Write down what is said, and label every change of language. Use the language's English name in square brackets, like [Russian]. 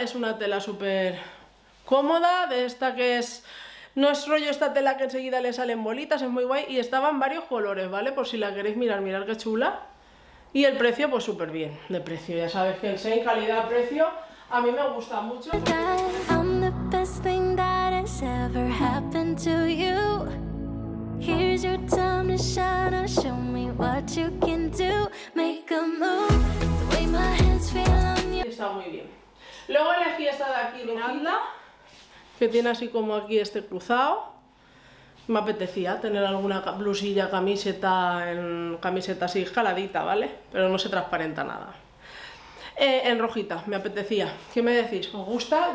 [Spanish] Es una tela súper cómoda, de esta que es... No es rollo esta tela que enseguida le salen bolitas, es muy guay. Y estaba en varios colores, ¿vale? Por si la queréis mirar, mirad qué chula. Y el precio, pues súper bien de precio. Ya sabes que el Shein calidad-precio a mí me gusta mucho. [English] I'm the best thing that has ever happened to you. Here's your time to shine, show me what you can do. Make a move. The way my hands feel on you. [Spanish] Está muy bien. Luego elegí esta de aquí, Lucinda, que tiene así como aquí este cruzado. Me apetecía tener alguna blusilla, camiseta, en camiseta así jaladita, ¿vale? Pero no se transparenta nada. En rojita, me apetecía. ¿Qué me decís? ¿Os gusta?